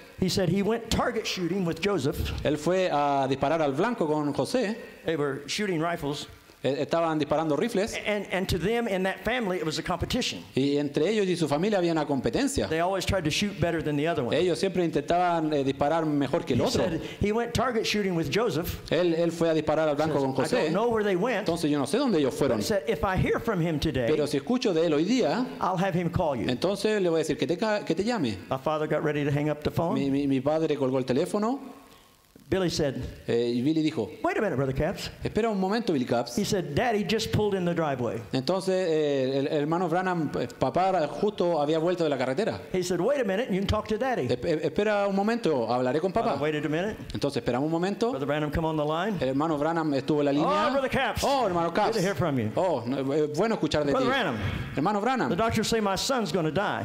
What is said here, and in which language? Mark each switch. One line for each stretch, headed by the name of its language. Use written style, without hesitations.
English: He said he went target shooting with Joseph.
Spanish: Él fue a disparar al blanco con José.
English: They were shooting rifles.
Spanish: Estaban disparando rifles.
English: And to them and that family, it was a competition.
Spanish: Y entre ellos y su familia había una competencia.
English: They always tried to shoot better than the other one.
Spanish: Ellos siempre intentaban disparar mejor que el otro.
English: He said he went target shooting with Joseph.
Spanish: Él fue a disparar al blanco con José.
English: I don't know where they went.
Spanish: Entonces yo no sé dónde ellos fueron.
English: He said if I hear from him today,
Spanish: pero si escucho de él hoy día,
English: I'll have him call you.
Spanish: Entonces le voy a decir que te llame.
English: My father got ready to hang up the phone.
Spanish: Mi padre colgó el teléfono.
English: Billy said,
Spanish: Billy dijo,
English: "Wait a minute, Brother Caps."
Spanish: Espera un momento, Billy Caps.
English: He said, "Daddy just pulled in the driveway."
Spanish: Entonces, el hermano Branham, papá, justo había vuelto de la carretera.
English: He said, "Wait a minute, you can talk to Daddy."
Spanish: Espera un momento, hablaré con papá.
English: I waited a minute.
Spanish: Entonces, esperamos un momento.
English: Brother Branham, come on the line.
Spanish: El hermano Branham estuvo en la línea.
English: Oh, Brother Caps.
Spanish: Oh, hermano Caps.
English: Good to hear from you.
Spanish: Oh, bueno escuchar de ti.
English: Brother Branham.
Spanish: Hermano Branham.
English: The doctors say my son's going to die.